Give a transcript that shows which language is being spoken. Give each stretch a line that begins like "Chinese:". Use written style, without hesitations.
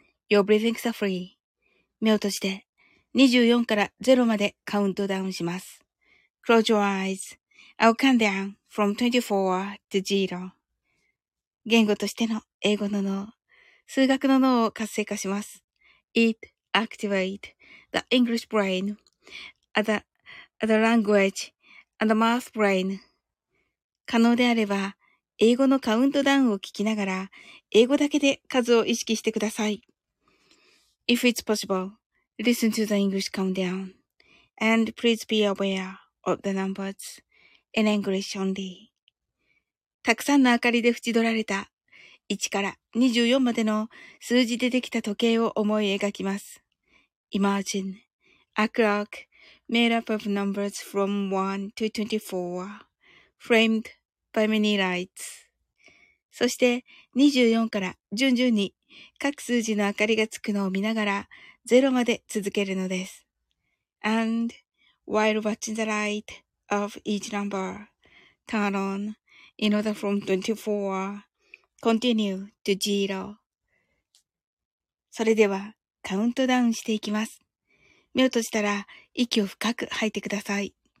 English: Your breathing is free.
Japanese: 目を閉じて24から0までカウントダウンします。
English: Close your eyes. I'll count down from 24 to 0.
Japanese: 言語としての英語の脳、数学の脳を活性化します。
English: It activates the English brain at theThe language and the math brain.
Japanese: 可能であれば、英語のカウントダウンを聞きながら、英語だけで数を意識してください。
English: If it's possible, listen to the English countdown. And please be aware of the numbers in English only.
Japanese: たくさんの明かりで縁取られた1から24までの数字でできた時計を思い描きます。
English: Imagine a clock. Made up of numbers from 1 to 24, framed by many lights.
Japanese: そして24から順々に各数字の明かりがつくのを見ながら0まで続けるのです。
English: And while watching the light of each number turn on in order from 24, continue to 0.
Japanese: それではカウントダウンしていきます。目を閉じたら息を深く吐いてください。